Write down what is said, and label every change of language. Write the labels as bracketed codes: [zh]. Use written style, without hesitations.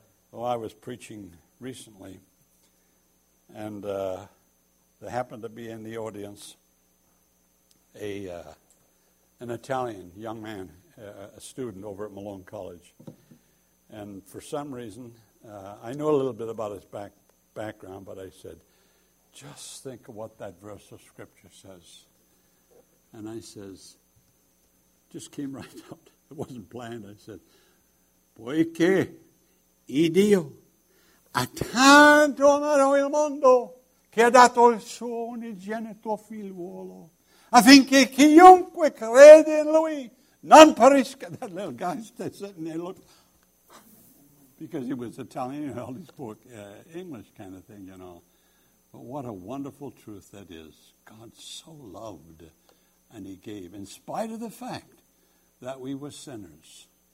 [en] Well, I was preaching recently, and there happened to be in the audience an Italian young man, a student over at Malone College. And for some reason, I know a little bit about his background, but I said, just think of what that verse of Scripture says. And I says, just came right out. It wasn't planned. [it] I said, poiché Iddio ha tanto amato il mondo che ha dato il suo unigenito figliuolo. [en] I think he [it] chiunque crede in lui, non perisca. [en] That little guy sitting there looked, because he was Italian, he only spoke English kind of thing, you know. But what a wonderful truth that is. God so loved and he gave, in spite of the fact that we were sinners.